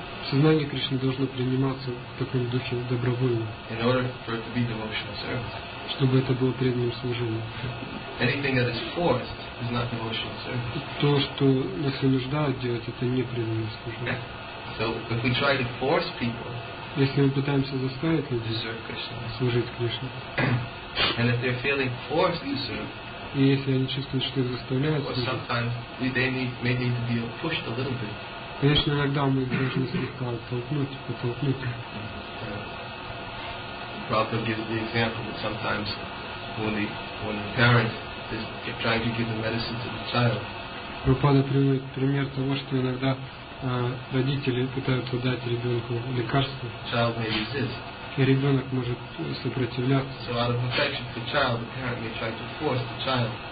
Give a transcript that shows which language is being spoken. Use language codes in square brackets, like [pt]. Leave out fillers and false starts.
[ru] сознание Кришны должно приниматься в таком духе добровольно. [en] In order for it to be devotional service. [ru] Чтобы это было преданным служением. [en] Anything that is forced is not devotional service. [ru] То, что нас вынуждают делать, это не преданное служение. [en] Yeah. So if we try to force people, [ru] если мы пытаемся заставить людей служить Кришне, [en] and if they're feeling forced to serve, [ru] и если они чувствуют, что их заставляют служить, [en] sometimes they may need to be pushed a little bit. [ru] Конечно, иногда мы должны слегка оттолкнуть, подтолкнуть. [en] Prabhupada gives the example that sometimes when the parent is trying to give the medicine to the child. [ru] Прабхупада приводит пример того, что иногда родители пытаются дать ребенку лекарство, [en] child may resist. [ru] И ребенок может сопротивляться. [en] So out of affection for the child, the parent may try to force the child.